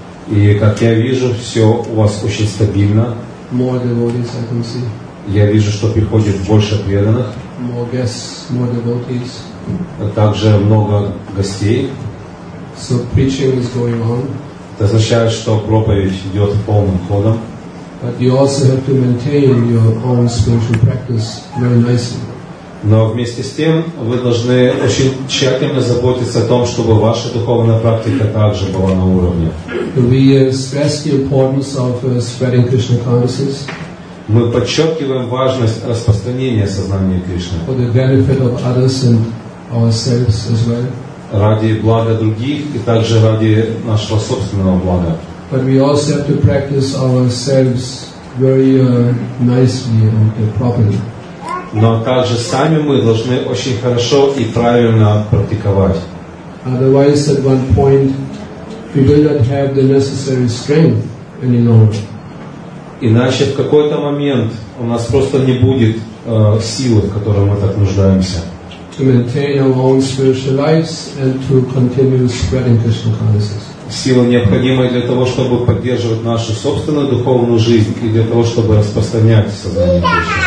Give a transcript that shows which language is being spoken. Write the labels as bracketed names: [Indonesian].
[Russian] И как я вижу, все у вас очень стабильно. [English] More devotees, I can see. [Russian] Я вижу, что приходит больше преданных. [English] More guests, more devotees. [Russian] Также много гостей. [English] So preaching is going on. [Russian] Это означает, что проповедь идет полным ходом. [English] But you also have to maintain your own spiritual practice very nicely. [Russian] Но вместе с тем вы должны очень тщательно заботиться о том, чтобы ваша духовная практика также была на уровне. [English] We stress the importance of spreading Krishna consciousness. [Russian] Мы подчеркиваем важность распространения сознания Кришны. [English] For the benefit of others and ourselves as well. [Russian] Ради блага других и также ради нашего собственного блага. [English] But we also have to practice ourselves very nicely and properly. [Russian] Но также сами мы должны очень хорошо и правильно практиковать. [English] Otherwise, at one point, we will not have the necessary strength anymore. [Russian] Иначе в какой-то момент у нас просто не будет силы, в которой мы так нуждаемся. [English] To maintain our own spiritual lives and to continue spreading Krishna consciousness. [Russian] Сила необходима для того, чтобы поддерживать нашу собственную духовную жизнь и для того, чтобы распространять сознание Кришны.